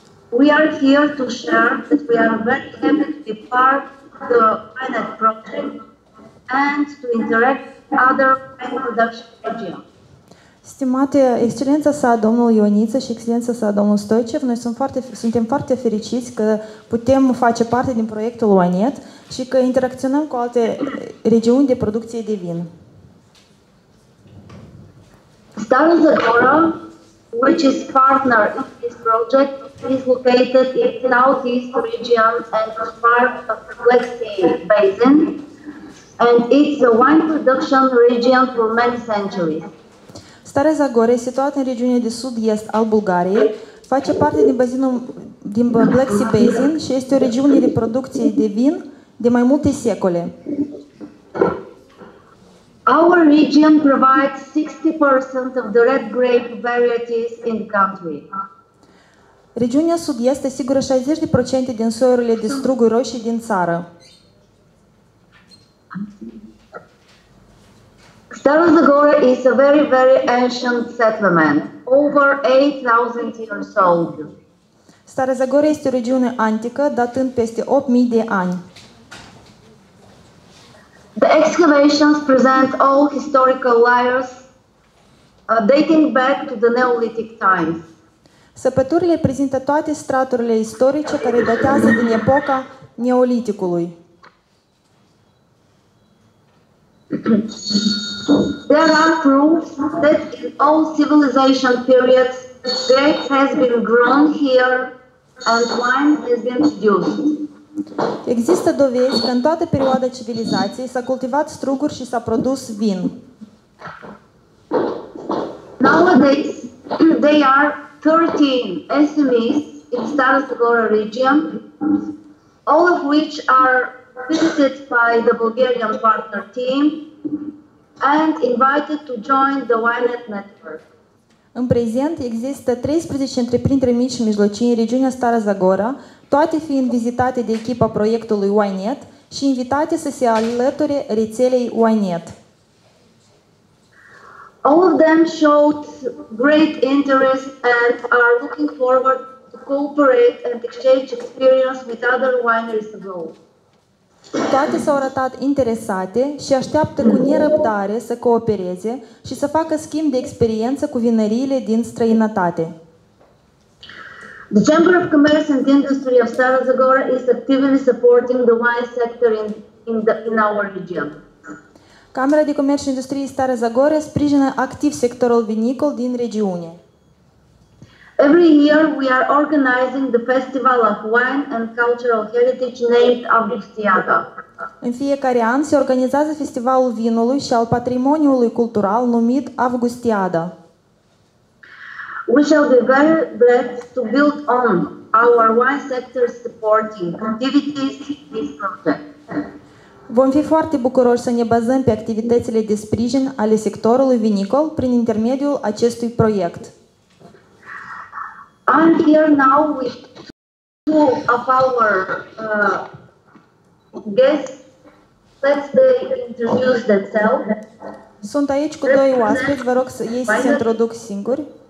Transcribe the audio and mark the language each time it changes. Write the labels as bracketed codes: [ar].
[en] We are here to share that we are very happy to be part of the YNET project and to interact with other production projects. [ro] Stimate excelența sa, domnul Ioniță și excelența sa, domnul Stoichev, noi suntem foarte fericiți că putem face parte din proiectul YNET și că interacționăm cu alte regiuni de producție de vin. [en] Starea Zagora, which is partner in this project, is located in the southeast region and is part of the Black Sea Basin, and it's a wine production region for many centuries. [ro] Starea Zagora, situată în regiunea de sud-est al Bulgariei, face parte din bazinul din Black Sea Basin și este o regiune de producție de vin de mai multe secole. [en] Our region provides 60% of the red grape varieties in the country. [ro] Regiunea sud-est asigură 60% din soiurile de struguri roșii din țară. [en] Stara Zagora is a very, very ancient settlement, over 8,000 years old. [ro] Stara Zagora este o regiune antică, datând peste 8,000 de ani. [en] The excavations present all historical layers dating back to the Neolithic times. [ro] Săpăturile prezintă toate straturile istorice care datează din epoca Neoliticului. [en] There are proofs that in all civilization periods, grapes has been grown here and wine has been produced. [ro] Există dovezi că în toată perioada civilizației s-a cultivat struguri și s-a produs vin. [en] Nowadays, there are 13 SMEs in Stara Zagora region, all of which are visited by the Bulgarian partner team and invited to join the YNET network. [ro] În prezent există 13 întreprinderi mici și mijlocii în regiunea Stara Zagora, toate fiind vizitate de echipa proiectului YNET și invitate să se alăture rețelei YNET. [en] All of them showed great interest and are looking forward to cooperate and exchange experience with other wineries abroad. [ro] Toate s-au arătat interesate și așteaptă cu nerăbdare să coopereze și să facă schimb de experiență cu vinăriile din străinătate. [en] The Chamber of Commerce and Industry of Stara Zagora is actively supporting the wine sector in our region. [ro] Camera de Comerț și Industrie Stara Zagora sprijină activ sectorul vinicol din regiune. [en] Every year we are organizing the Festival of Wine and Cultural Heritage named Augustiada. [ro] În fiecare an se organizează Festivalul Vinului și al Patrimoniului Cultural numit Augustiada. [en] We shall be very glad to build on our wine sector supporting activities in this project. [ro] Vom fi foarte bucuroși să ne bazăm pe activitățile de sprijin ale sectorului vinicol prin intermediul acestui proiect. [en] I'm here now with two of our guests. Let's they introduce themselves. [ro] Sunt aici cu doi oaspeți, vă rog să ei să se introduc singuri.